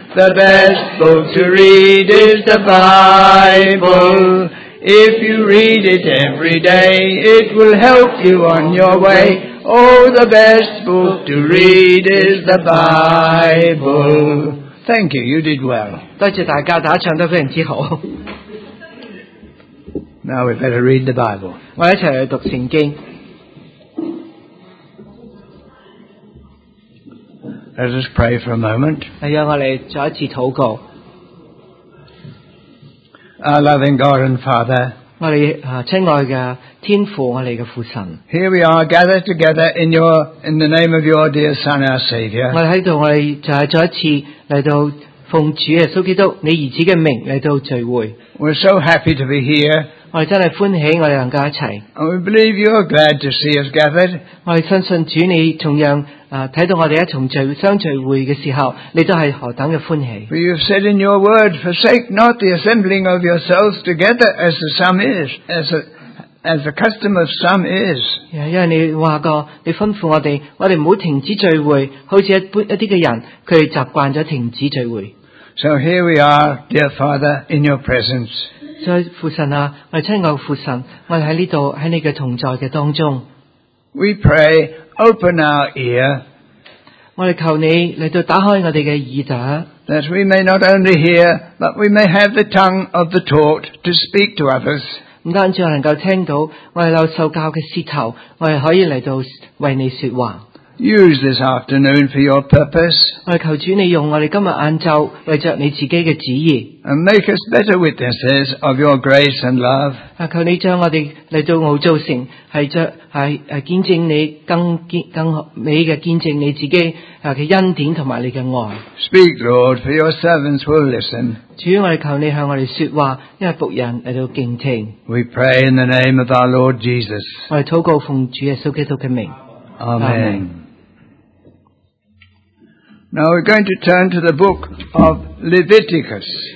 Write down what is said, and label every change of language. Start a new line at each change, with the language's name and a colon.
English: The best book to read is the Bible. If you read it every day, it will help you on your way. Oh, the best book to read is the Bible. Thank you, you did well.
Chinese: 多谢大家，大家唱得非常之好。
English: Now we better read the Bible.
Chinese: 我一起去读圣经。
English: Let us pray for a moment.
Chinese: 让我来再一次祷告。
English: Our loving God and Father,
Chinese: 我们亲爱的天父，我们的父神。
English: Here we are gathered together in the name of your dear Son, our Savior.
Chinese: 我们在这里，我们就是再一次来到奉主耶稣基督你儿子的名来到聚会。
English: We're so happy to be here.
Chinese: 我们真的欢喜我们能够一起。
English: And we believe you are glad to see us gathered.
Chinese: 我们相信主你同样看到我们一同相聚会的时候，你都是何等的欢喜。
English: For you've said in your word, forsake not the assembling of yourselves together as the sum is, as the custom of some is.
Chinese: 因为你说过，你吩咐我们，我们不要停止聚会，好像一些人，他们习惯了停止聚会。
English: So here we are, dear Father, in your presence.
Chinese: 所以父神啊，我们亲爱的父神，我们在这里，在你的同在的当中。
English: We pray, open our ear.
Chinese: 我们求你来到打开我们的耳朵，
English: that we may not only hear, but we may have the tongue of the taught to speak to others.
Chinese: 不单只能够听到，我们有受教的舌头，我们可以来到为你说话。
English: Use this afternoon for your purpose.
Chinese: 我们求主你用我们今天晏昼为着你自己的旨意。
English: And make us better witnesses of your grace and love.
Chinese: 求你将我们来到澳洲城，见证你更美的见证你自己的恩典和你的爱。
English: Speak, Lord, for your servants will listen.
Chinese: 主，我们求你向我们说话，因为仆人来到敬听。
English: We pray in the name of our Lord Jesus.
Chinese: 我们祷告奉主耶稣基督的名。
English: Amen. Now we're going to turn to the book of Leviticus.